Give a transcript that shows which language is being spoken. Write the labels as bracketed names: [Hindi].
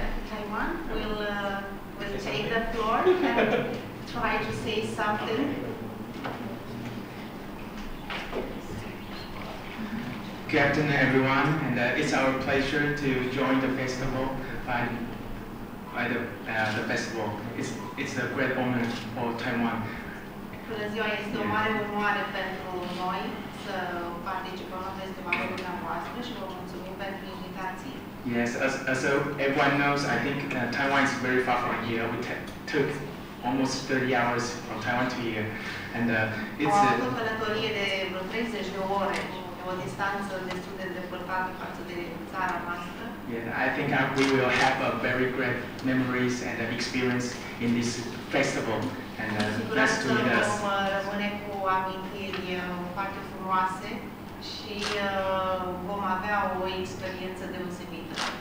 [English] Taiwan will take the floor and try to say something. Good afternoon, everyone, and it's our pleasure to join the festival by the festival. It's a great honor for Taiwan. [Romanian] Bună ziua, este o mare onoare pentru noi să participăm la festivalul dumneavoastră și vă mulțumim pentru invitație. [English] Yes, as everyone knows, I think Taiwan is very far from here. We took almost 30 hours from Taiwan to here, and it's [Romanian] a călătorie de vreo 30 de ore. O distanță destul de îndepărtată față de țara noastră. [English] Yeah, I think we will have a very great memories and experience in this festival. And that's to meet us. [Romanian] Vom rămâne cu amintiri foarte frumoase și vom avea o experiență deosebită.